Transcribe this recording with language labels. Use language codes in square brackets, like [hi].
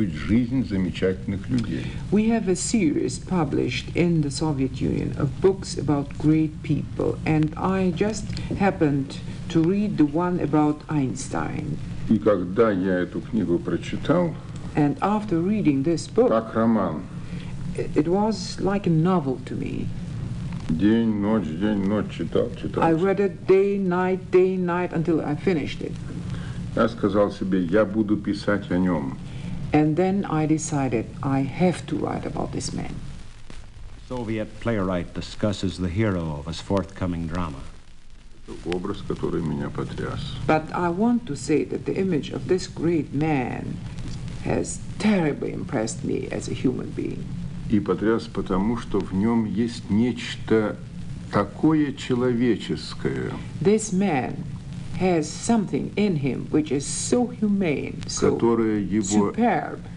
[en] We have a series published in the Soviet Union of books about great people, and I just happened to read the one about Einstein. [ru] И когда я эту книгу прочитал, [en] and after reading this book, [ru] как роман, [en] it was like a novel to me. [ru] День, ночь, читал, читал. [en] I read it day, night, until I finished it. [ru] Я сказал себе, я буду писать о нем. [en] And then I decided I have to write about this man. Soviet playwright discusses the hero of his forthcoming drama. [ru] Образ, который меня потряс. [en] But I want to say that the image of this great man has terribly impressed me as a human being. [ru] И потряс, потому что в нем есть нечто такое человеческое. [en] This man has something in him which is so humane, so superb.